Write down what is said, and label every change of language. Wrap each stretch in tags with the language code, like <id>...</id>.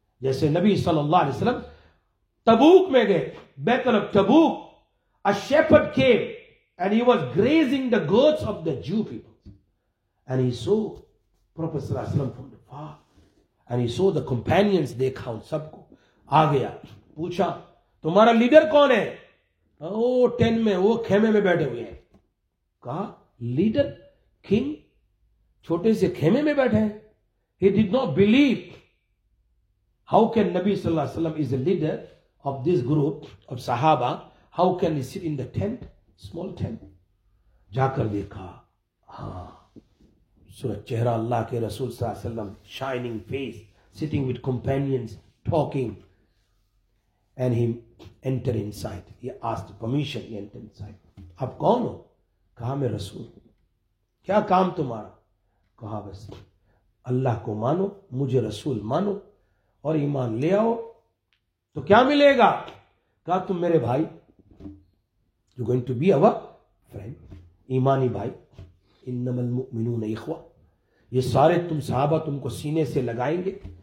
<ur>جیسے نبی صلی اللہ علیہ وسلم تبوک میں گئے, بیتل تبوک,</ur> <en>a shepherd came and he was grazing the goats of the Jew people and he saw Prophet صلی اللہ علیہ وسلم from the far and he saw the companions,</en> <ur>دیکھا ان سب کو, آ گیا, پوچھا تمہارا لیڈر کون ہے؟ ٹین میں وہ خیمے میں بیٹھے ہوئے ہیں. کہا لیڈر کنگ چھوٹے سے خیمے میں بیٹھے ہیں.</ur> <en>He did not believe how can نبی صلی اللہ علیہ وسلم is a leader of this group of صحابہ, how can he sit in the tent, small tent.</en> <ur>جا کر دیکھا, ہاں سورج چہرہ اللہ کے رسول صلی اللہ علیہ وسلم,</ur> <en>shining face, sitting with companions, talking, and he enter inside. He asked permission, he enter inside.</en> <ur>آپ کون ہو؟ کہا میں رسول ہوں. کیا کام تمہارا؟ کہا بس اللہ کو مانو، مجھے رسول مانو اور ایمان لے آؤ تو کیا ملے گا؟ کہا تم میرے بھائی،</ur> <en>you going to be our friend,</en> <ur>ایمانی بھائی،</ur> <ar>انما المؤمنون اخوہ،</ar> <ur>یہ سارے تم صحابہ تم کو سینے سے لگائیں گے.</ur>